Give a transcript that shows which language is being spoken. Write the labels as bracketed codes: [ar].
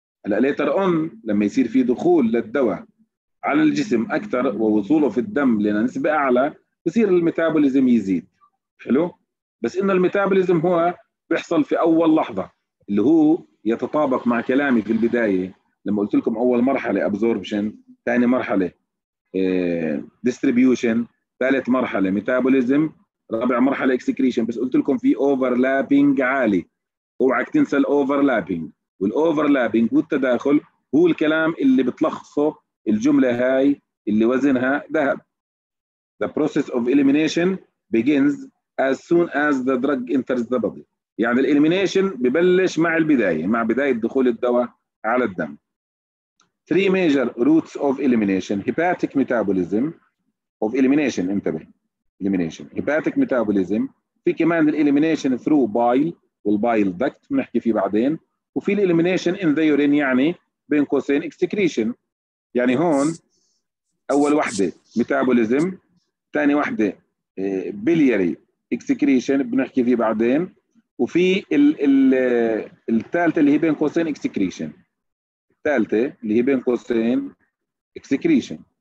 [ar] هلأ ليتر أون لما يصير في دخول للدواء على الجسم أكثر ووصوله في الدم لنسبة أعلى، بصير الميتابوليزم يزيد، حلو؟ بس إنه الميتابوليزم هو بيحصل في أول لحظة، اللي هو يتطابق مع كلامي في البداية لما قلت لكم أول مرحلة absorption، ثاني مرحلة distribution، ثالث مرحلة ميتابوليزم، رابع مرحلة اكسكريشن. بس قلت لكم في اوفرلابينج عالي، اوعك تنسى الاوفرلابينج. والاوفرلابينج والتداخل هو الكلام اللي بتلخصه الجملة هاي اللي وزنها ذهب. [en] The process of elimination begins as soon as the drug enters the body. [ar] يعني الإليمينيشن ببلش مع البداية، مع بداية دخول الدواء على الدم. [en] Three major routes of elimination: hepatic metabolism of elimination. انتبه، elimination hepatic metabolism. [ar] في كمان [en] elimination through bile [ar] والbile duct، بنحكي فيه بعدين. [en] وفي elimination in the urine، [ar] يعني بين قوسين [en] excretion. [ar] يعني هون اول واحدة metabolism، ثاني واحدة biliary excretion بنحكي فيه بعدين، وفي الثالثة اللي هي بين قوسين excretion، الثالثة اللي هي بين قوسين excretion.